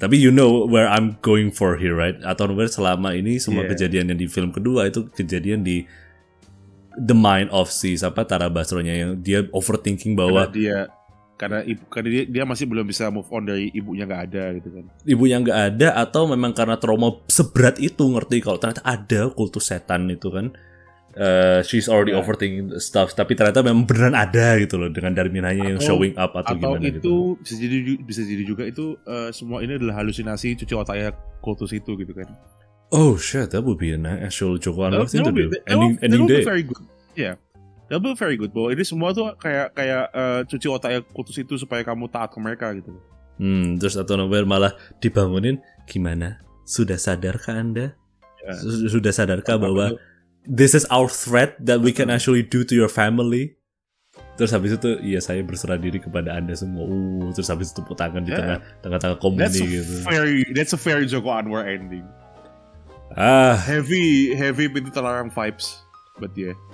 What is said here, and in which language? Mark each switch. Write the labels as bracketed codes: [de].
[id] Tapi [en] you know where I'm going for here, right? [id] Out of nowhere selama ini semua kejadian yang di film kedua itu kejadian di [en] the mind of [id] si siapa Tara Basro-nya yang dia overthinking bahwa karena dia masih belum bisa move on dari ibunya nggak ada gitu kan. Ibunya nggak ada atau memang karena trauma seberat itu ngerti kalau ternyata ada kultus setan itu kan. [en] She's already overthinking stuff, [id] tapi ternyata memang beneran ada gitu loh dengan dari Minanya yang showing up atau gimana itu, gitu. Itu bisa jadi juga itu semua ini adalah halusinasi cuci otaknya kultus itu gitu kan. [en] Oh shit, that would be an actual Joko Anwar thing to do. That would be very good. [id] Bahwa ini semua tuh kayak cuci otaknya kultus itu supaya kamu taat ke mereka gitu. Terus atau nowhere malah dibangunin, gimana? Sudah sadarkah Anda? Sudah sadarkah bahwa [en] this is our threat that we can actually do to your family? [id] Terus habis itu, iya saya berserah diri kepada Anda semua. Terus habis itu tepuk tangan di tengah-tengah komuni gitu. [en] That's a very Joko Anwar ending. Heavy pintu terlarang vibes, but yeah.